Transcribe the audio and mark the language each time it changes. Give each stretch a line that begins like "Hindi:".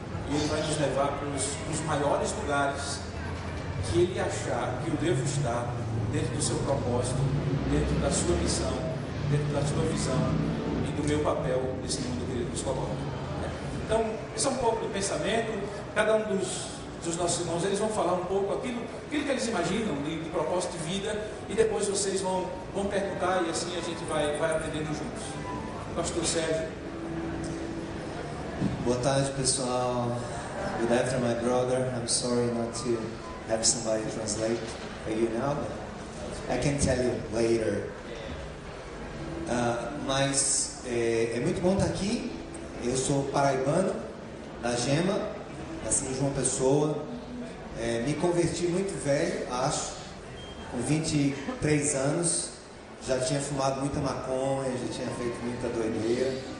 Portuguese: E ele vai nos levar para os maiores lugares que ele achar que eu devo estar, dentro do seu propósito, dentro da sua missão, dentro da sua visão e do meu papel nesse mundo que ele nos coloca. Então, esse é um pouco do pensamento. Cada um dos nossos irmãos, eles vão falar um pouco aquilo que eles imaginam de propósito de vida, e depois vocês vão perguntar, e assim a gente vai aprendendo juntos. Pastor Sérgio. Boa tarde, pessoal.
English: Good afternoon, my brother. I'm sorry not to have somebody translate for you now, but I can tell you later.
Portuguese: Mas é muito bom estar aqui. Eu sou paraibano, da Gema, nasci de uma pessoa. Me converti muito velho, acho, com 23 anos. Já tinha fumado muita maconha, já tinha feito muita doideira.